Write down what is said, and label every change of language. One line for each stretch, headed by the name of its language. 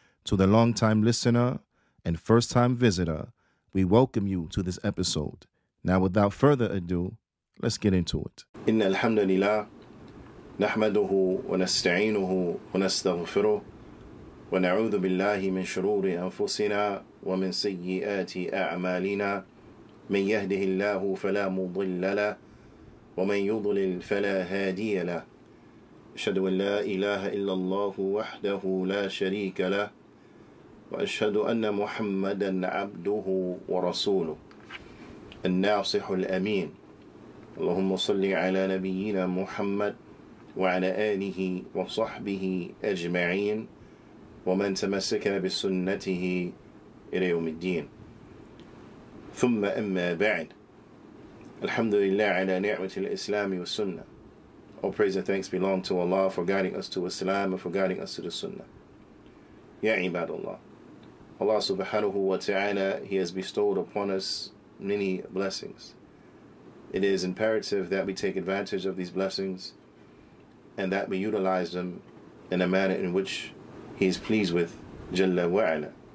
English: To the long-time listener and first-time visitor, we welcome you to this episode. Now, without further ado, let's get into it.
Arabic: Inna alhamdulillah, nahmaduhu wa nasta'inuhu wa nastaghfiruh wa na'udhu billahi min shururi anfusina wa min sayyi'ati a'malina min yahdihillahu fala mudilla ومن يضلل فلا هادي له أشهد أن لا إله إلا الله وحده لا شريك له وأشهد أن محمدا عبده ورسوله الناصح الأمين اللهم صل على نبينا محمد وعلى آله وصحبه أجمعين ومن تمسك بسنته إلى يوم الدين ثم أما بعد. Alhamdulillah ala ni'matil Islam wa Sunnah.
English: All praise and thanks belong to Allah for guiding us to Islam and for guiding us to the Sunnah.
Arabic: Ya ibadullah.
English: Allah subhanahu wa ta'ala, He has bestowed upon us many blessings. It is imperative that we take advantage of these blessings and that we utilize them in a manner in which He is pleased with,
Arabic: Jalla wa ala.